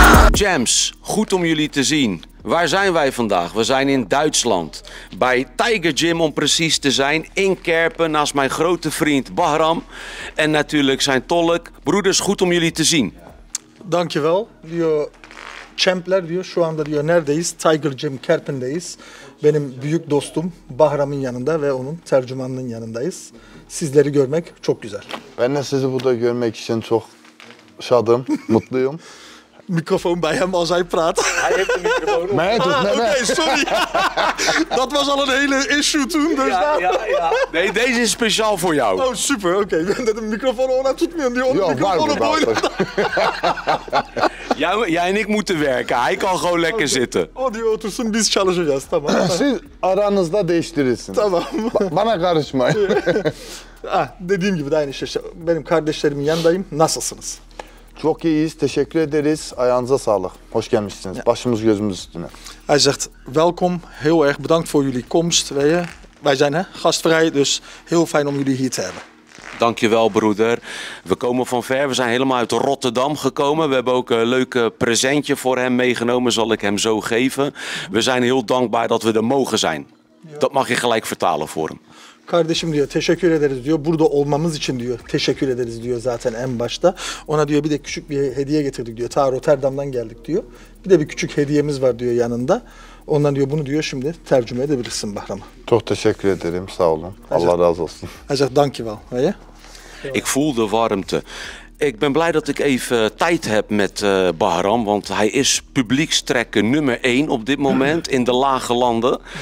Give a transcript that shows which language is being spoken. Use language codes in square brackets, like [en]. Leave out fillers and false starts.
[nl] Jams, goed om jullie te zien. Waar zijn wij vandaag? We zijn in Duitsland. Bij Tiger Gym om precies te zijn. In Kerpen naast mijn grote vriend Bahram. En natuurlijk zijn tolk. Broeders, goed om jullie te zien. Dankjewel. [tr] Diyor Champler diyor şu anda diyor neredeyiz? Tiger Gym Kerpen'deyiz. Benim büyük dostum Bahram'ın yanında ve onun tercümanının yanındayız. Sizleri görmek çok güzel. Ben de sizi burada görmek için çok şadım, mutluyum. [nl] Microfoon bij hem als hij praat. Hij heeft de microfoon. Nee, okay, sorry. Dat was al een hele issue toen. Dus ja, ja, ja. Nee, deze is speciaal voor jou. Oh, super. Oké. Okay. De microfoon al naar toe. Die onder microfoon op boilen. Jij en ik moeten werken. Hij kan gewoon lekker zitten. [tr] Oh, die otursun biz çalışacağız. Tamam. Siz aranızda değiştirirsin. Tamam. Bana karışmayın. Dediğim gibi de aynı şey. Benim kardeşlerimin yanındayım. Nasılsınız? Çok iyiyiz, teşekkür ederiz. Ayağınıza sağlık. Hoş gelmişsiniz. Ja. Başımız gözümüz üstüne. [nl] Hij zegt, welkom. Heel erg bedankt voor jullie komst. Wij zijn gastvrij, dus heel fijn om jullie hier te hebben. Dankjewel, broeder. We komen van ver. We zijn helemaal uit Rotterdam gekomen. We hebben ook een leuke presentje voor hem meegenomen. Zal ik hem zo geven. We zijn heel dankbaar dat we er mogen zijn. Ja. Dat mag je gelijk vertalen voor hem. [tr] Kardeşim diyor teşekkür ederiz diyor. Burada olmamız için diyor teşekkür ederiz diyor zaten en başta. Ona diyor bir de küçük bir hediye getirdik diyor. Ta Rotterdam'dan geldik diyor. Bir de bir küçük hediyemiz var diyor yanında. Ondan diyor bunu diyor şimdi tercüme edebilirsin Bahram'a. Çok teşekkür ederim sağ olun. Allah razı olsun. [nl] Hacak dankjewel. Hayır. Ik voel de warmte. Ik ben blij dat ik even tijd heb met Bahram, want hij is publiekstrekker nummer 1 op dit moment in de Lage Landen.